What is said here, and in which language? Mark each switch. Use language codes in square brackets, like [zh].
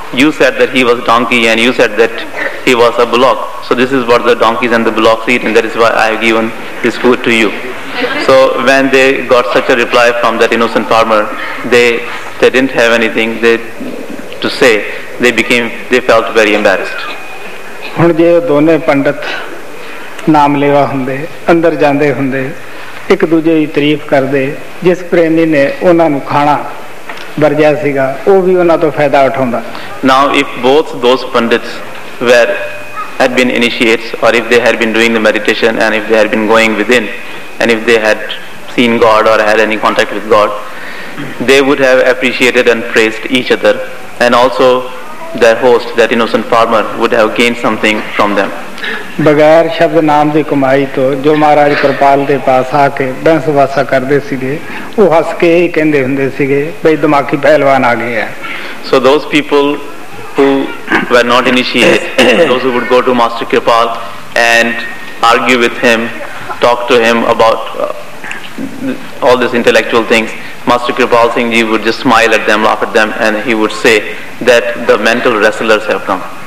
[en] You said that he was a donkey and you said that he was a bullock. So this is what the donkeys and the bullocks eat, and that is why I have given this food to you. So when they got such a reply from that innocent farmer, they didn't have anything to say. They felt very embarrassed. [pa] ਹੁਣ ਜੇ ਉਹ ਦੋਨੇ ਪੰਡਤ ਨਾਮ ਲੇਵਾ ਹੁੰਦੇ ਅੰਦਰ ਜਾਂਦੇ ਹੁੰਦੇ ਇੱਕ ਦੂਜੇ ਦੀ ਤਾਰੀਫ ਕਰਦੇ ਜਿਸ ਪ੍ਰੇਮੀ ਨੇ ਉਹਨਾਂ ਨੂੰ ਖਾਣਾ ਵਰਜਿਆ ਸੀਗਾ ਉਹ ਵੀ ਉਹਨਾਂ ਤੋਂ ਫਾਇਦਾ ਉਠਾਉਂਦਾ [en] Now if both those pandits had been initiates or if they had been doing the meditation and if they had been going within and if they had seen God or had any contact with God they would have appreciated and praised each other and also their host, that innocent farmer, would have gained something from them. [pa] ਬਗੈਰ ਸ਼ਬਦ ਨਾਮ ਦੀ ਕਮਾਈ ਤੋਂ ਜੋ ਮਹਾਰਾਜ ਕਿਰਪਾਲ ਦੇ ਪਾਸ ਆ ਕੇ ਬੈਂਸ ਵਾਸਾ ਕਰਦੇ ਸੀਗੇ ਉਹ ਹੱਸ ਕੇ ਇਹ ਕਹਿੰਦੇ ਹੁੰਦੇ ਸੀਗੇ ਬਈ ਦਿਮਾਗੀ ਪਹਿਲਵਾਨ ਆ ਗਏ ਆ [en] So those people who were not initiate those who would go to Master Kripal and argue with him talk to him about all these intellectual things, Master Kripal Singh Ji would just smile at them, laugh at them, and he would say that the mental wrestlers have come.